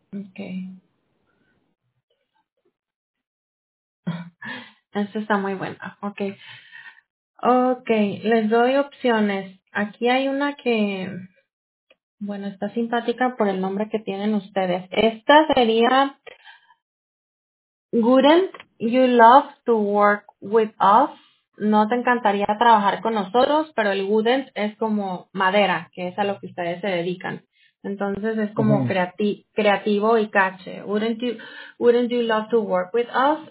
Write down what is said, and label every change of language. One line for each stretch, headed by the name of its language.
Spanish: Okay. Eso está muy bueno. Okay. Okay, les doy opciones. Aquí hay una que, bueno, está simpática por el nombre que tienen ustedes. Esta sería,
English: wouldn't you love to work with us?
Spanish: No te encantaría trabajar con nosotros, pero el wouldn't es como madera, que es a lo que ustedes se dedican. Entonces es como creativo y cache.
English: Wouldn't you love to work with us?